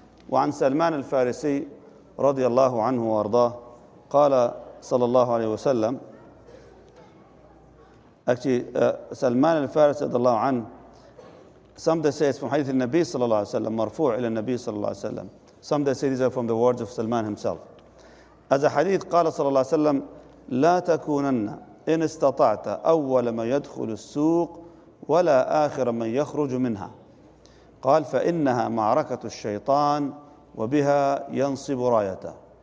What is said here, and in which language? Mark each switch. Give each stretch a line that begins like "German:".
Arabic: وعن سلمان الفارسي رضي الله عنه وارضاه قال صلى الله عليه وسلم.
English: Actually,
Arabic: سلمان الفارس رضي الله عنه.
English: Some they say it's from
Arabic: حديث النبي صلى الله عليه وسلم مرفوع إلى النبي صلى الله عليه وسلم.
English: Some they say these are from the words of سلمان himself. As a hadith,
Arabic: قال صلى الله عليه وسلم لا تكونن إن استطعت أول ما يدخل السوق ولا آخر من يخرج منها. قال فإنها معركة الشيطان وبها ينصب رايته.